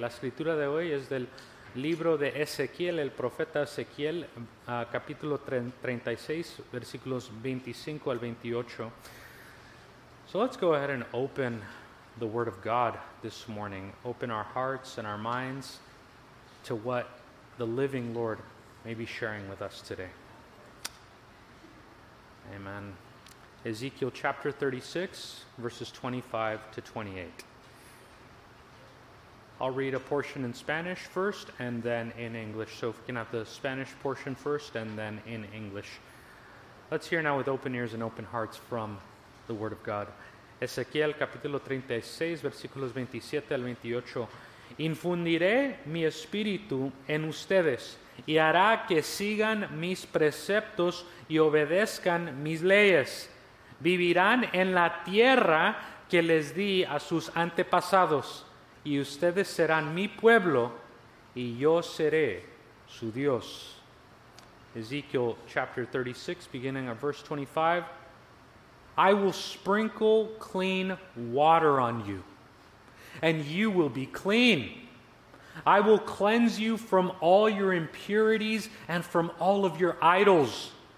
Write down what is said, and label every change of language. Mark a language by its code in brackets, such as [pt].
[es] La escritura de hoy es del libro de Ezequiel, el profeta Ezequiel, capítulo 36, versículos 25 al 28. [en] So let's go ahead and open the Word of God this morning. Open our hearts and our minds to what the living Lord may be sharing with us today. Amen. Ezekiel chapter 36, verses 25 to 28. I'll read a portion in Spanish first and then in English. So if we can have the Spanish portion first and then in English. Let's hear now with open ears and open hearts from the Word of God. [es] Ezequiel capítulo 36, versículos 27 al 28. Infundiré mi espíritu en ustedes y hará que sigan mis preceptos y obedezcan mis leyes. Vivirán en la tierra que les di a sus antepasados, y ustedes serán mi pueblo, y yo seré su Dios. [en] Ezekiel chapter 36, beginning at verse 25. I will sprinkle clean water on you, and you will be clean. I will cleanse you from all your impurities and from all of your idols.